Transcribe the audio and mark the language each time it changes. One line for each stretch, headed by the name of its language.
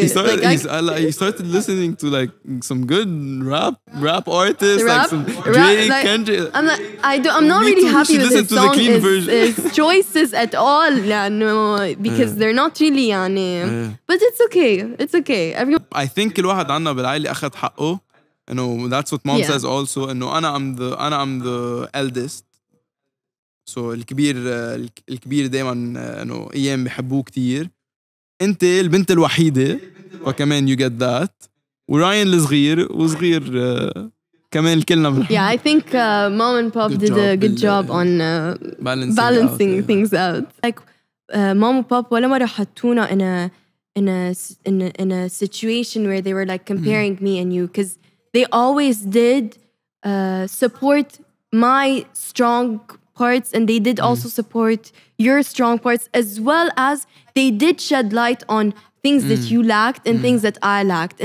English: He started listening to like some good rap artists, rap, like some Drake, rap, like, Kendrick. I'm not really happy with his song choices at all, because they're not really, but it's okay. I think
Arabic: كل واحد عنا بالعائلة أخذ حقه.
English: You know, that's what mom says also. You know, I'm the eldest. So
Arabic: الكبير دائما انه ايام بحبوه كثير. انت البنت الوحيده وكمان
English: you get that.
Arabic: وراين الصغير وصغير كمان كلنا بنحبه.
English: Yeah, I think mom and pop did a good job on balancing things out. Mom and pop
Arabic: ولا مره حطونا
English: in a situation where they were like comparing me and you, because they always did support my strong parts, and they did also support your strong parts, as well as they did shed light on things that you lacked and things that I lacked.